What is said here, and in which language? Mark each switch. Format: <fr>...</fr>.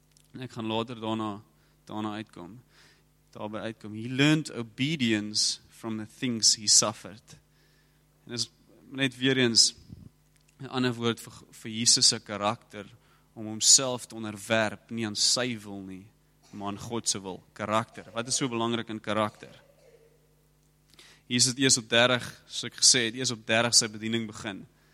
<af>En ek gaan later daarby uitkom.</af> <en>He learned obedience from the things he suffered.</en> <af>En is net weer eens een ander woord vir Jesus' karakter, om homself te onderwerp, nie aan sy wil nie, maar aan God se wil. Karakter. Wat is so belangrik in karakter? Jesus het eers op 30, soos ek gesê het, eers op 30 sy bediening begin.</af>